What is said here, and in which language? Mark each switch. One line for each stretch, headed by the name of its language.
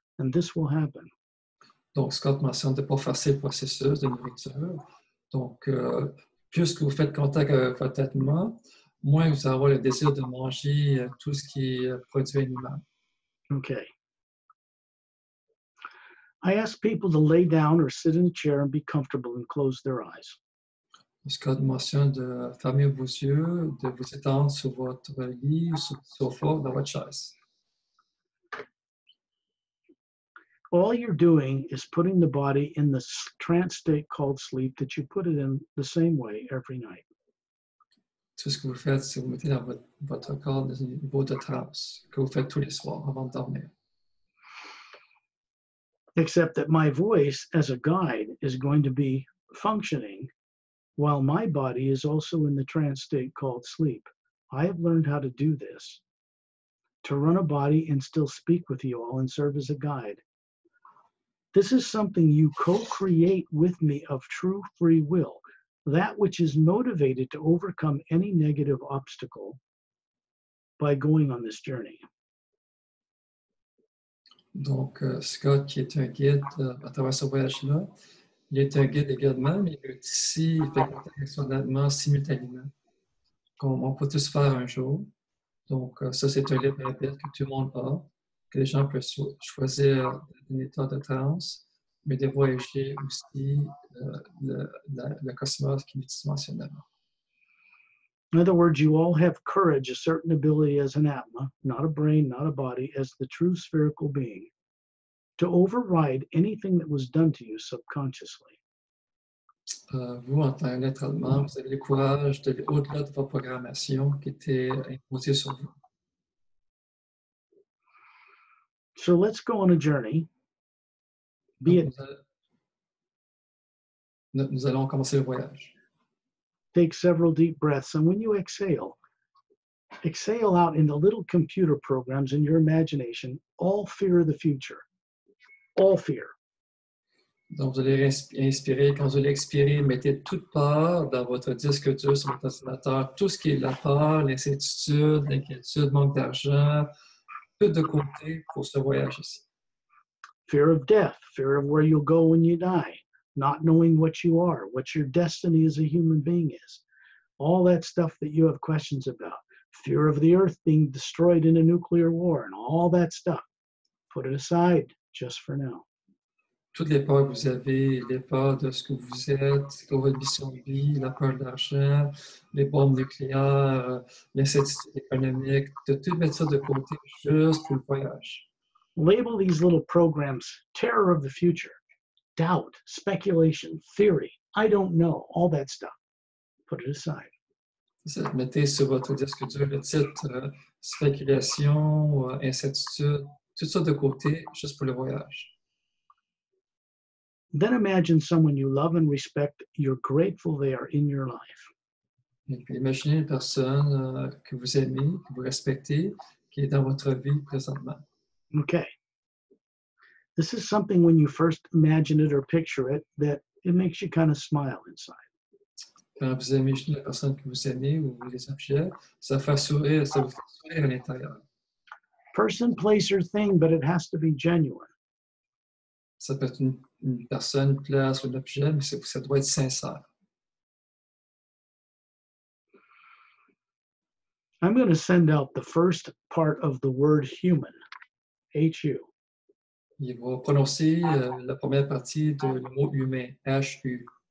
English: And this will happen.
French: Donc, Scott mentionne de ne pas faire ces processus de nourriture. Donc, plus que vous faites contact avec votre être, moins vous aurez le désir de manger tout ce qui est produit animal.
English: Okay. I ask people to lay down or sit in a chair and be comfortable and close their eyes.
French: Scott mentionne de fermer vos yeux, de vous étendre sur votre lit ou sur le sofa ou dans votre chaise.
English: All you're doing is putting the body in the trance state called sleep that you put it in the same way every night.
French: Tout ce que vous faites, c'est vous mettez dans votre corps dans un niveau de trance que vous faites tous les soirs avant de dormir.
English: Except that my voice as a guide is going to be functioning while my body is also in the trance state called sleep. I have learned how to do this, to run a body and still speak with you all and serve as a guide. This is something you co-create with me of true free will, that which is motivated to overcome any negative obstacle by going on this journey.
French: Donc, Scott, qui est un guide à travers ce voyage-là, il est un guide également, mais il est ici, il fait contact avec son âme simultanément, comme on peut tous faire un jour. Donc, ça, c'est un libre appel que tout le monde a, que les gens peuvent choisir un état de transe, mais de voyager aussi le cosmos qui nous mentionne avant.
English: In other words, you all have courage, a certain ability as an Atma, not a brain, not a body, as the true spherical being, to override anything that was done to you subconsciously.
French: Vous, en tant qu'être Atma, vous avez le courage d'aller au-delà de vos programmations qui étaient imposées sur vous.
English: So let's go on a journey.
French: Nous allons commencer le voyage.
English: Take several deep breaths, and when you exhale out in the little computer programs in your imagination, all fear of the future, all fear.
French: Donc, vous allez inspirer, quand vous allez expirer, mettez toute peur dans votre disque dur sur votre ordinateur, tout ce qui est la peur, l'incertitude, l'inquiétude, manque d'argent, peu de côté pour ce voyage ici.
English: Fear of death, fear of where you'll go when you die. Not knowing what you are, what your destiny as a human being is. All that stuff that you have questions about. Fear of the earth being destroyed in a nuclear war and all that stuff. Put it aside just for now.
French: Toutes les peurs que vous avez, les peurs de ce que vous êtes, de votre mission de vie, la peur d'argent, les bombes nucléaires, l'incertitude économique, de tout mettre ça de côté juste pour le voyage.
English: Label these little programs, terror of the future. Doubt, speculation, theory, I don't know, all that stuff. Put it aside.
French: Mettez sur votre disque dur le titre spéculation, incertitude, tout ça de côté, juste pour le voyage.
English: Then imagine someone you love and respect, you're grateful they are in your life.
French: Et puis imaginez une personne que vous aimez, que vous respectez, qui est dans votre vie présentement.
English: Okay. This is something when you first imagine it or picture it that it makes you kind of smile inside.
French: Quand vous imaginez la personne que vous aimez ou les objets, ça vous fait sourire à l'intérieur.
English: Person, place, or thing, but it has to be genuine.
French: Ça peut être une personne, place, ou un objet, mais ça doit être sincère.
English: I'm going to send out the first part of the word human, H-U.
French: Il va prononcer la première partie du mot humain, H-U.